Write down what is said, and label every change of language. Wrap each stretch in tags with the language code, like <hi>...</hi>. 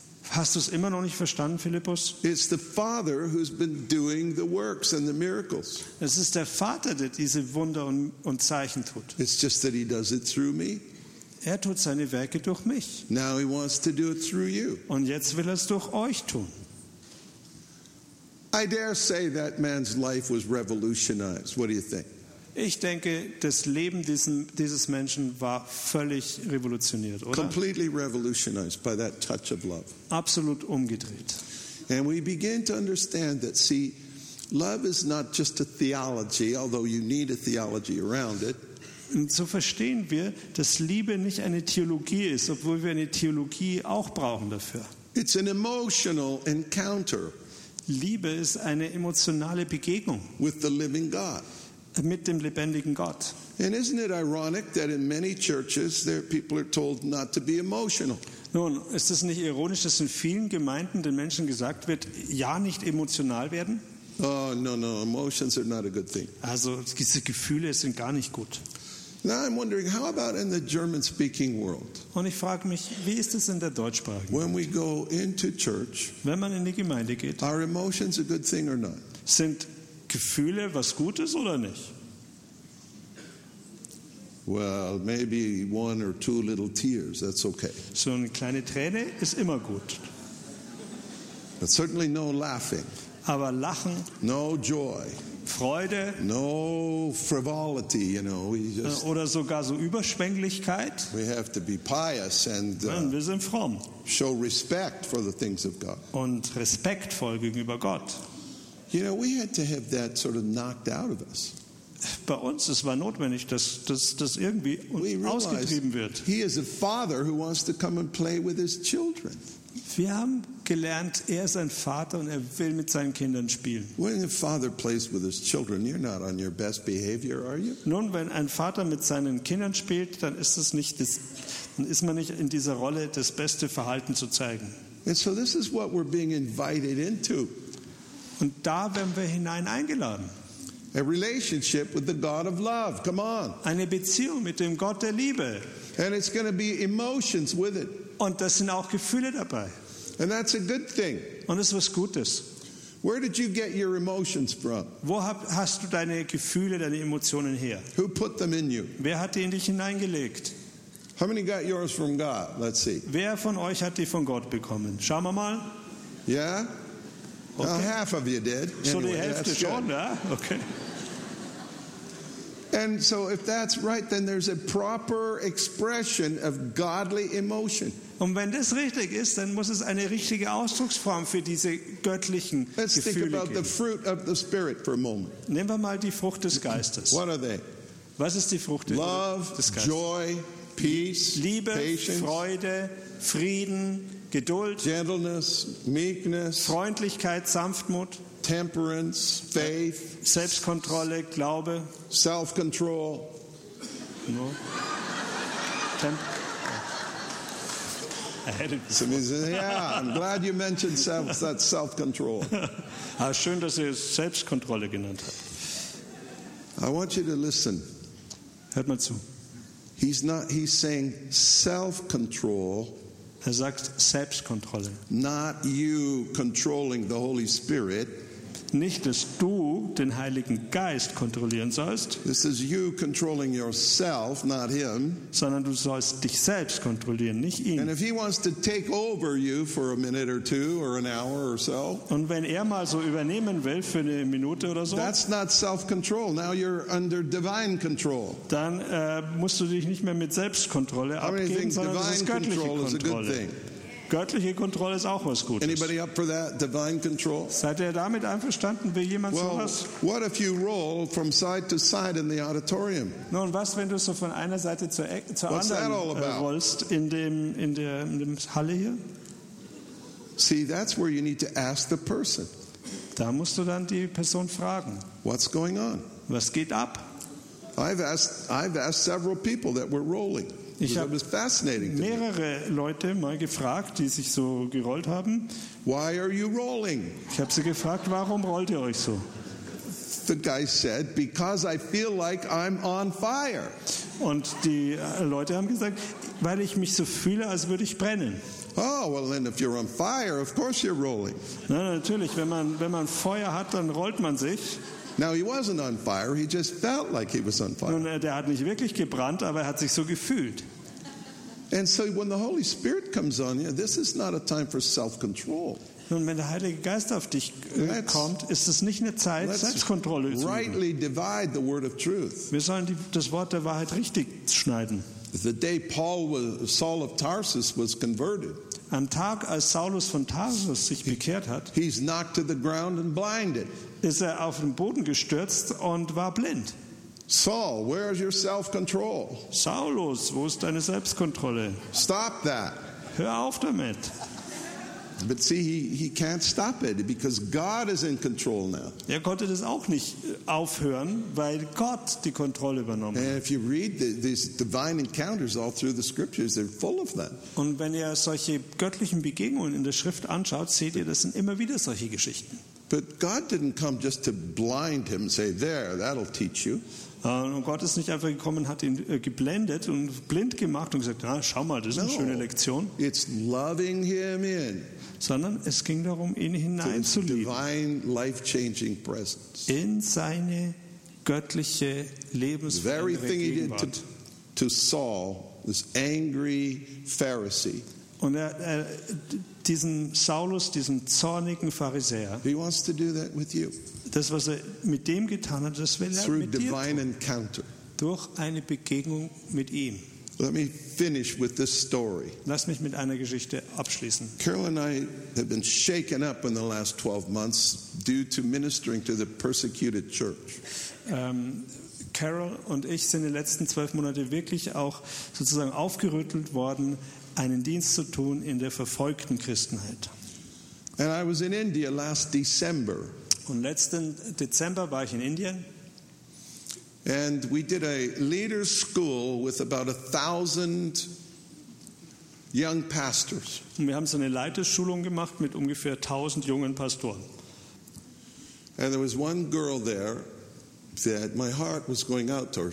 <de>Hast du es immer noch nicht verstanden, Philippus?</de> <en>It's the Father who's been doing the works and the miracles.</en> <de>Es ist der Vater, der diese Wunder und Zeichen tut.</de> <en>It's just that he does it through me.</en> <de>Er tut seine Werke durch mich.</de> <en>Now he wants to do it through you.</en> <de>Und jetzt will er es durch euch tun.</de> <en>I dare say that man's life was revolutionized. What do you think?</en> <de>Ich denke, das Leben dieses Menschen war völlig revolutioniert, oder?</de> <en>Completely revolutionized by that touch of love.</en> <de>Absolut umgedreht.</de> <en>And we begin to understand that, see, love is not just a theology, although you need a theology around it.</en> <de>Und so verstehen wir, dass Liebe nicht eine Theologie ist, obwohl wir eine Theologie auch brauchen dafür.</de> <en>It's an emotional encounter.</en> <de>Liebe ist eine emotionale Begegnung.</de> <en>With the living God.</en> <de>Mit dem lebendigen Gott.</de> <en>And isn't it ironic that in many churches there people are told not to be emotional?</en> <de>Nun, ist es nicht ironisch, dass in vielen Gemeinden den Menschen gesagt wird, ja, nicht emotional werden?</de> <en>Oh, no, emotions are not a good thing.</en> <de>Also, diese Gefühle sind gar nicht gut.</de> <en>Now I'm wondering, how about in the German-speaking world?</en> <de>Und ich frage mich, wie ist es in der deutschsprachigen Welt?</de> <en>When we go into church,</en> <de>wenn man in die Gemeinde geht,</de> <en>are emotions a good thing or not?</en> <de>Sind Gefühle, was Gutes oder nicht?</de> <en>Well, maybe one or two little tears, that's okay.</en> <de>So eine kleine Träne ist immer gut.</de> <en>But certainly no laughing.</en> <de>Aber Lachen.</de> <en>No joy.</en> <de>Freude.</de> <en>No frivolity, you know. We just,</en> <de>oder sogar so Überschwänglichkeit.</de> <en>We have to be pious and,</en> <de>wir sind fromm.</de> <en>Show respect for the things of God.</en> <de>Und respektvoll gegenüber Gott.</de> <en>You know, we had to have that sort of knocked out of us.</en> <de>Bei uns, es war notwendig, dass irgendwie</de> <en>we</en> <de>ausgetrieben wird.</de> <en>He is a father who wants to come and play with his children.</en> <de>Wir haben gelernt, er ist ein Vater und er will mit seinen Kindern spielen.</de> <en>When a father plays with his children, you're not on your best behavior, are you?</en> <de>Nun, wenn ein Vater mit seinen Kindern spielt, dann ist es nicht, dann ist man nicht in dieser Rolle, das beste Verhalten zu zeigen.</de> <en>And so this is what we're being invited into.</en> <de>Und da werden wir hinein eingeladen.</de> <en>A relationship with the God of love. Come on.</en> <de>Eine Beziehung mit dem Gott der Liebe.</de> <en>And it's going to be emotions with it.</en> <de>Und das sind auch Gefühle dabei.</de> <en>And that's a good thing.</en> <de>Und das ist was Gutes.</de> <en>Where did you get your emotions from?</en> <de>Wo hast du deine Gefühle, deine Emotionen her?</de> <en>Who put them in you?</en> <de>Wer hat die in dich hineingelegt?</de> <en>How many got yours from God? Let's see.</en> <de>Wer von euch hat die von Gott bekommen? Schauen wir mal.</de> <en>Yeah. Okay. Well, half of you did. So anyway,</en> <de>die Hälfte schon, ja? Okay.</de> <en>And so if that's right, then there's a proper expression of godly emotion.</en> <de>Und wenn das richtig ist, dann muss es eine richtige Ausdrucksform für diese göttlichen</de> <en>Let's</en> <de>Gefühle geben.</de> <en>Let's think about</en> <de>geben.</de> <en>The fruit of the Spirit for a moment.</en> <de>Nehmen wir mal die Frucht des Geistes.</de> <en>What are they?</en> <de>Was ist die Frucht</de> <en>Love,</en> <de>des Geistes?</de> <en>Love, joy, peace,</en> <de>Liebe,</de> <en>patience,</en> <de>Freude, Frieden, Geduld,</de> <en>Gentleness, Meekness,</en> <de>Freundlichkeit, Sanftmut,</de> <en>Temperance, Faith,</en> <de>Selbstkontrolle, Glaube,</de> <en>Self-Control. No. I'm glad you mentioned self-control.</en> <de>Schön, dass ihr Selbstkontrolle genannt habt.</de> <en>I want you to listen.</en> <de>Hört mal zu.</de> <en>He's saying self-control.</en> <de>Er sagt Selbstkontrolle.</de> <en>Not you controlling the Holy Spirit.</en> <de>Nicht, dass du den Heiligen Geist kontrollieren sollst.</de> <en>This is you controlling yourself, not him.</en> <de>Sondern du sollst dich selbst kontrollieren, nicht ihn.</de> <en>And if he wants to take over you for a minute or two or an hour or so.</en> <de>Und wenn mal so übernehmen will für eine Minute oder so.</de> <en>That's not self-control. Now you're under divine control.</en> <de>Dann musst du dich nicht mehr mit Selbstkontrolle abgeben, sondern das ist göttliche Kontrolle. Göttliche Kontrolle ist auch was Gutes.</de> <en>Anybody up for that? Divine control?</en> <de>Seid ihr damit einverstanden? Will jemand sowas?</de> <en>What if you roll from side to side in the auditorium?</en> <de>Nun, was, wenn du so von einer Seite zur anderen rollst in dem Halle hier?</de> <en>See, that's where you need to ask the person.</en> <de>Da musst du dann die Person fragen.</de> <en>What's going on?</en> <de>Was geht ab?</de> <en>I've asked several people that were rolling.</en> <de>Ich habe mehrere Leute mal gefragt, die sich so gerollt haben.</de> <en>Why are you rolling?</en> <de>Ich habe sie gefragt, warum rollt ihr euch so?</de> <en>The guy said, because I feel like I'm on fire.</en> <de>Und die Leute haben gesagt, weil ich mich so fühle, als würde ich brennen.</de> <en>Oh, well then if you're on fire, of course you're rolling.</en> <de>Na, natürlich, wenn man Feuer hat, dann rollt man sich.</de> <en>Now he wasn't on fire, he just felt like he was on fire.</en> <de>Nun, der hat nicht wirklich gebrannt, aber er hat sich so gefühlt.</de> <en>And so when the Holy Spirit comes on you, this is not a time for self-control.</en> <de>Nun, wenn der Heilige Geist auf dich kommt, ist es nicht eine Zeit, Selbstkontrolle zu üben.</de> <en>Rightly divide the word of truth.</en> <de>Wir sollen das Wort der Wahrheit richtig schneiden.</de> <en>The day Saul of Tarsus was converted.</en> <de>Am Tag, als Saulus von Tarsus sich bekehrt hat,</de> <en>he's knocked to the ground and blinded.</en> <de>Ist auf den Boden gestürzt und war blind.</de> <en>Saul, where is your self-control?</en> <de>Saulus, wo ist deine Selbstkontrolle?</de> <en>Stop that.</en> <de>Hör auf damit.</de> <en>But see, he can't stop it because God is in control now.</en> <de>Er konnte das auch nicht aufhören, weil Gott die Kontrolle übernommen hat.</de> <en>And if you read these divine encounters all through the scriptures, they're full of that.</en> <de>Und wenn ihr solche göttlichen Begegnungen in der Schrift anschaut, seht ihr, das sind immer wieder solche Geschichten.</de> <en>But God didn't come just to blind him and say, there, that'll teach you.</en> <de>Gott ist nicht einfach gekommen, hat ihn geblendet und blind gemacht und gesagt, schau mal, das ist eine schöne Lektion.</de> <en>It's loving him in.</en> <de>Sondern es ging darum, ihn hineinzulieben.</de> <en>Divine life-changing presence.</en> <de>In seine göttliche lebensverändernde Gegenwart.</de> <en>The very thing he did to Saul, this angry Pharisee.</en> <de>Und diesen Saulus, diesen zornigen Pharisäer.</de> <en>He wants to do that with you.</en> <de>Das, was mit dem getan hat, das will</de> <en>through</en> <de>mit</de> <en>divine</en> <de>dir tun.</de> <en>Encounter.</en> <de>Durch eine Begegnung mit ihm.</de> <en>Let me finish with this story.</en> <de>Lass mich mit einer Geschichte abschließen.</de> <en>Carol and I have been shaken up in the last 12 months due to ministering to the persecuted church.</en> <de>Carol und ich sind in den letzten 12 Monaten wirklich auch sozusagen aufgerüttelt worden, einen Dienst zu tun in der verfolgten Christenheit.</de> <en>And I was in India last December.</en> <de>Und letzten Dezember war ich in Indien.</de> <en>And we did a leader's school with about 1,000 young pastors.</en> <de>Und wir haben so eine Leiterschulung gemacht mit ungefähr 1,000 jungen Pastoren.</de> <en>And there was one girl there that my heart was going out to her.</en>